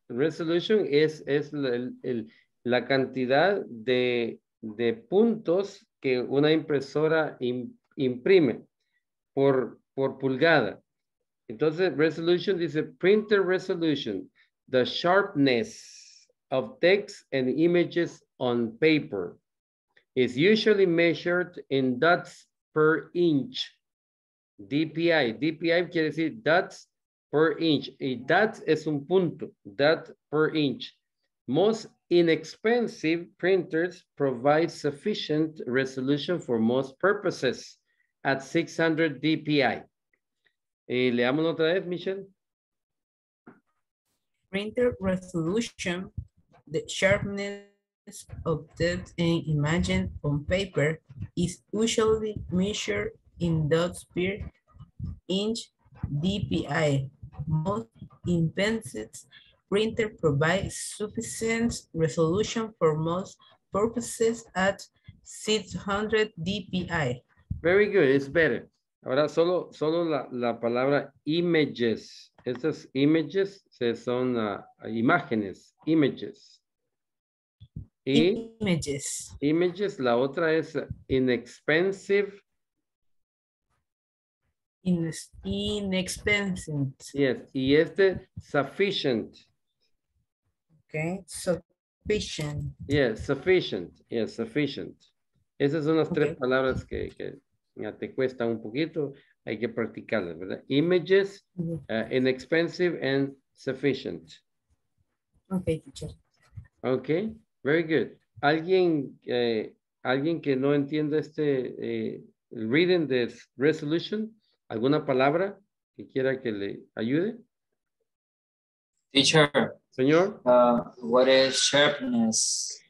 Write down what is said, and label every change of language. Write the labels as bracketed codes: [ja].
[es] Resolution es la cantidad de puntos que una impresora imprime por pulgada. Entonces, [en] resolution dice printer resolution, the sharpness of text and images on paper is usually measured in dots per inch. [es] DPI, DPI quiere decir [en] dots per inch. [es] Y dots es un punto, [en] dot per inch. Most inexpensive printers provide sufficient resolution for most purposes at 600 DPI. [es] Leamos otra vez, Michelle. [en] Printer resolution, the sharpness of text and image on paper is usually measured in dots per inch DPI. Most inexpensive printer provides sufficient resolution for most purposes at 600 DPI. Very good, it's better. [es] Ahora solo la palabra images. Estas images son imágenes, images. Y images. Images, la otra es inexpensive. [en] Inexpensive. [es] Yes, y este sufficient. [en] Okay, sufficient. Yes, sufficient. Yes, sufficient. [es] Esas son las [en] okay. [es] Tres palabras que ya te cuesta un poquito, hay que practicarlas, ¿verdad? [en] Images, inexpensive, and sufficient. Okay, teacher. Okay, very good. [es] ¿Alguien que no entienda este [en] reading this resolution? [es] ¿Alguna palabra que quiera que le ayude? [en] Teacher. [es] Señor. [en] What is sharpness?